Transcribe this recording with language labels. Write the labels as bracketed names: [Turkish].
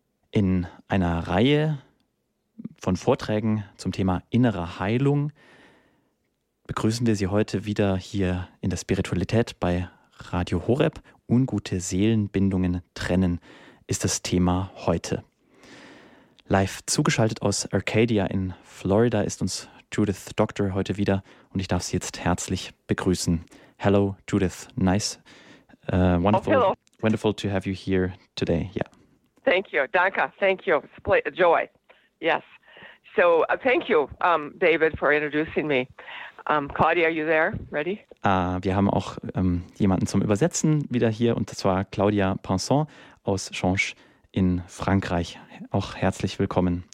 [German] In einer Reihe von Vorträgen zum Thema innere Heilung begrüßen wir Sie heute wieder hier in der Spiritualität bei Radio Horeb. Ungute Seelenbindungen trennen ist das Thema heute. Live zugeschaltet aus Arcadia in Florida ist uns Judith Doctor heute wieder und ich darf Sie jetzt herzlich begrüßen. [English] Hello, Judith. Nice. Wonderful to have you here today. Yeah. Thank you. Danke. Thank you. Joy. Yes. So thank you, David, for introducing me. Claudia, are you there? Ready? [German] Wir haben auch jemanden zum Übersetzen wieder hier, und zwar Claudia Pinson aus Change in Frankreich. Auch herzlich willkommen.